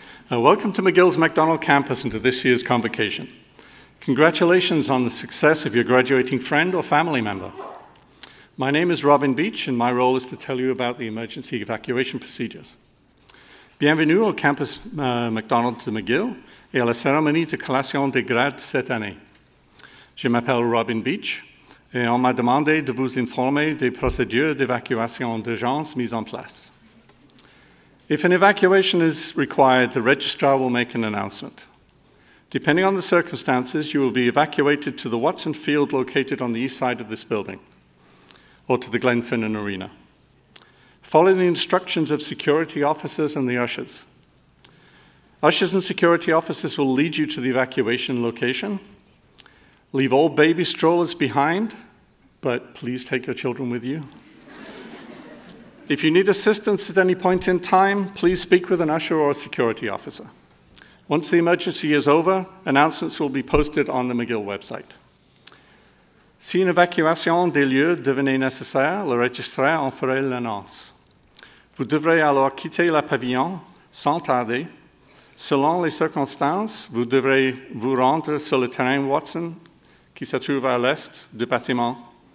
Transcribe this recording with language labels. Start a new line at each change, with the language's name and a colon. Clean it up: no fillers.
English: Welcome to McGill's McDonnell campus and to this year's convocation. Congratulations on the success of your graduating friend or family member. My name is Robin Beach, and my role is to tell you about the emergency evacuation procedures.
French: Bienvenue au campus McDonald de McGill et à la cérémonie de collation des grades cette année. Je m'appelle Robin Beach et on m'a demandé de vous informer des procédures d'évacuation d'urgence mises en place.
English: If an evacuation is required, the registrar will make an announcement. Depending on the circumstances, you will be evacuated to the Watson Field located on the east side of this building or to the Glenfinnan Arena. Follow the instructions of security officers and the ushers. Ushers and security officers will lead you to the evacuation location. Leave all baby strollers behind, but please take your children with you. If you need assistance at any point in time, please speak with an usher or a security officer. Once the emergency is over, announcements will be posted on the McGill website.
French: Si une évacuation des lieux devenait nécessaire, le registraire en ferait l'annonce. Vous devrez alors quitter le pavillon sans tarder. Selon les circonstances, vous devrez vous rendre sur le terrain Watson, qui se trouve à l'est du bâtiment.